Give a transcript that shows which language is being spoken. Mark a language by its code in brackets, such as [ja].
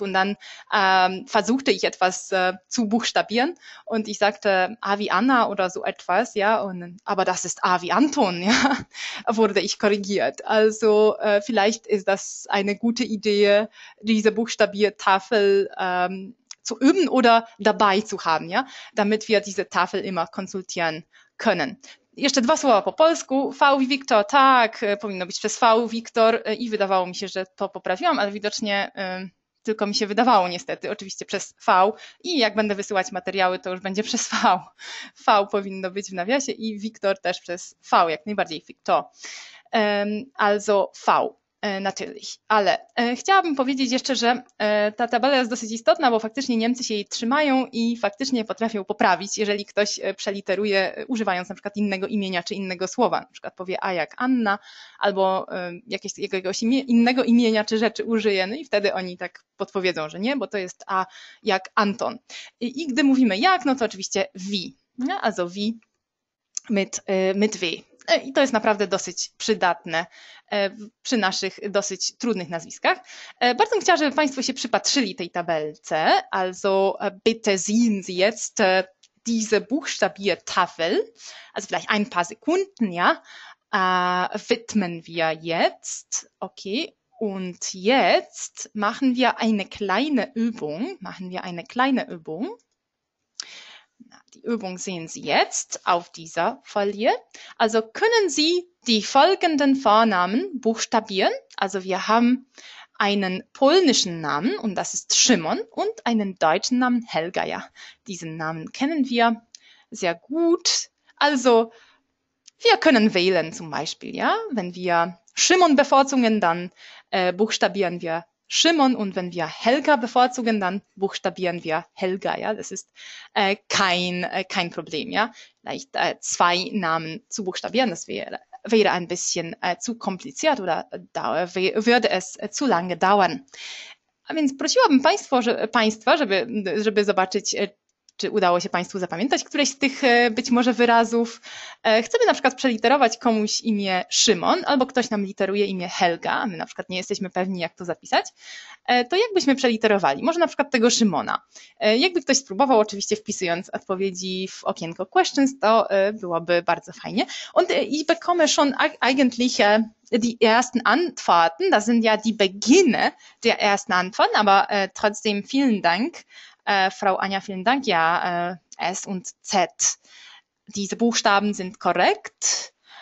[de] Und dann versuchte ich etwas zu buchstabieren und ich sagte A wie Anna oder so etwas, ja, aber das ist A wie Anton, ja, wurde ich korrigiert. Also vielleicht ist das eine gute Idee, diese Buchstabiertafel zu üben oder dabei zu haben, ja, damit wir diese Tafel immer konsultieren können. [pl] Jeszcze dwa słowa po polsku. [de] V wie Wiktor, [pl] tak, powinno być przez V, Wiktor, i wydawało mi się, że to poprawiłam, ale widocznie tylko mi się wydawało niestety, oczywiście przez V i jak będę wysyłać materiały, to już będzie przez V. V powinno być w nawiasie i Wiktor też przez V, jak najbardziej Wiktor. [de] Also V. Natürlich. [pl] Ale chciałabym powiedzieć jeszcze, że ta tabela jest dosyć istotna, bo faktycznie Niemcy się jej trzymają i faktycznie potrafią poprawić, jeżeli ktoś przeliteruje, używając na przykład innego imienia czy innego słowa, na przykład powie A jak Anna, albo jakiegoś innego imienia czy rzeczy użyje, no i wtedy oni tak podpowiedzą, że nie, bo to jest A jak Anton. I gdy mówimy jak, no to oczywiście wie, nie? [de] Also wie, mit wie. [pl] I to jest naprawdę dosyć przydatne przy naszych dosyć trudnych nazwiskach. Bardzo bym chciała, żeby Państwo się przypatrzyli tej tabelce. [de] Also bitte sehen Sie jetzt diese Buchstabiertafel. Also vielleicht ein paar Sekunden, ja. Widmen wir jetzt. Okay. Und jetzt machen wir eine kleine Übung. Machen wir eine kleine Übung. Die Übung sehen Sie jetzt auf dieser Folie. Also können Sie die folgenden Vornamen buchstabieren? Also wir haben einen polnischen Namen und das ist Simon und einen deutschen Namen Helga. Ja, diesen Namen kennen wir sehr gut. Also wir können wählen zum Beispiel, ja. Wenn wir Simon bevorzugen, dann buchstabieren wir Simon und wenn wir Helga bevorzugen, dann buchstabieren wir Helga, ja, das ist kein Problem, ja. Vielleicht zwei Namen zu buchstabieren, das wäre ein bisschen zu kompliziert oder würde es zu lange dauern. [pl] A więc prosiłabym Państwa, żeby zobaczyć, czy udało się Państwu zapamiętać któreś z tych być może wyrazów. Chcemy na przykład przeliterować komuś imię Szymon albo ktoś nam literuje imię Helga, a my na przykład nie jesteśmy pewni, jak to zapisać. To jak byśmy przeliterowali? Może na przykład tego Szymona. Jakby ktoś spróbował, oczywiście wpisując odpowiedzi w okienko questions, to byłoby bardzo fajnie. [de] Und ich bekomme schon eigentlich die ersten Antworten, das sind ja die Beginne der ersten Antworten, aber trotzdem vielen Dank. Frau Anja, vielen Dank. Ja, S und Z. Diese Buchstaben sind korrekt.